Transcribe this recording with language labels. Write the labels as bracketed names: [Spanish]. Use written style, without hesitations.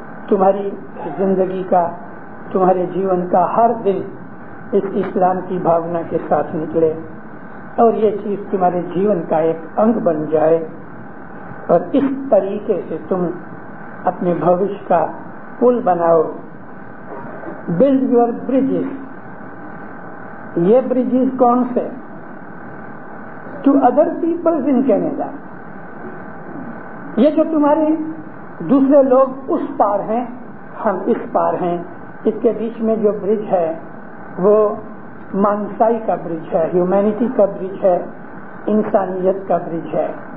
[Hindi] तुम्हारी जिंदगी का तुम्हारे जीवन का हर दिन इस इस्लाम की भावना के साथ निकले और ये चीज तुम्हारे जीवन का एक अंग बन जाए और इस तरीके से तुम अपने भविष्य का पुल बनाओ. [English] Build your bridges. [Hindi] ये [English] bridges [Hindi] कौन से? [English] To other peoples in Canada. [Hindi] ये जो तुम्हारे दूसरे लोग उस पार हैं हम इस पार हैं इसके बीच में जो ब्रिज है वो मानसाई का ब्रिज है ह्यूमैनिटी का ब्रिज है इंसानियत का ब्रिज है.